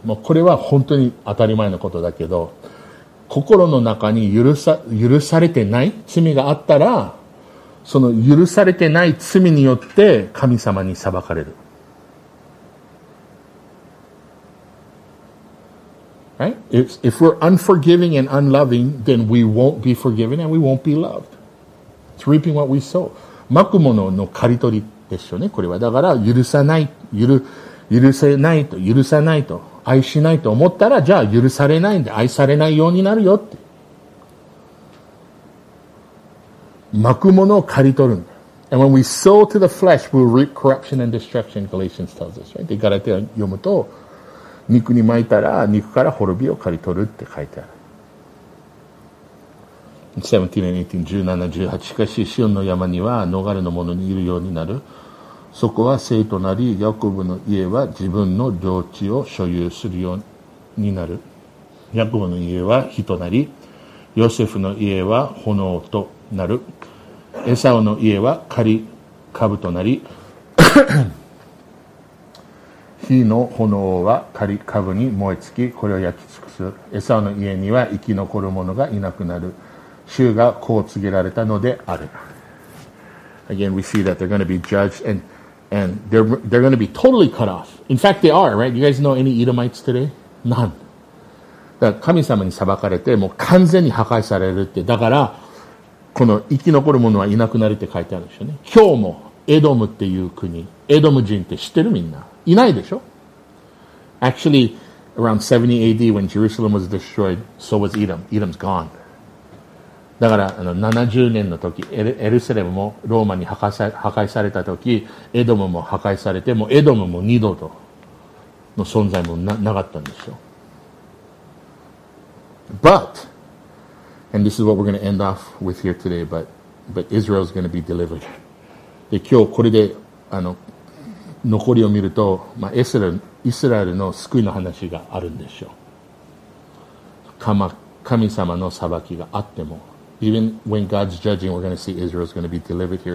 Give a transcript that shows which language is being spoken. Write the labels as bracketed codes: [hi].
[ja] もうこれは本当に当たり前のことだけど、心の中に許されてない罪があったら、その許されてない罪によって神様に裁かれる。 [en] Right? If we're unforgiving and unloving, then we won't be forgiven and we won't be loved. It's reaping what we sow. [ja] まくものの刈り取りですよね、これは。だから、許さないと、愛しないと思ったら、じゃあ許されないんで愛されないようになるよって。巻くものを刈り取るんだ。 [en] And when we sow to the flesh, we reap corruption and destruction, Galatians tells us, right? [ja] で、ガラテア読むと、肉に巻いたら肉から滅びを刈り取るって書いてある。 17、18、しかし、シオンの山には逃れの者にいるようになる。そこは聖となり、ヤコブの家は自分の領地を所有するようになる。ヤコブの家は火となり、ヨセフの家は炎となる。エサオの家は狩り株となり、火の炎は狩り株に燃え尽き、これを焼き尽くす。エサオの家には生き残る者がいなくなる。主がこう告げられたのである。 [en] Again, we see that they're going to be judged and they're going to be totally cut off. In fact, they are, right? You guys know any Edomites today? None. [ja] だから神様に裁かれてもう完全に破壊されるって、だからこの生き残る者はいなくなるって書いてあるでしょうね。今日もエドムっていう国、エドム人って知ってる？みんないないでしょ。 [en] Actually, around 70 AD when Jerusalem was destroyed, so was Edom. Edom's gone. [ja] だから70年の時、エルサレムもローマに破壊された時、エドムも破壊されて、もうエドムも二度との存在も なかったんですよ。 [en] But and this is what we're going to end off with here today, but Israel is going to be delivered. [ja] で今日これで残りを見ると、まあ、イスラエルの救いの話があるんでしょう。神様の裁きがあっても、 [en] Even when God's judging, we're going to see Israel is going to be delivered here.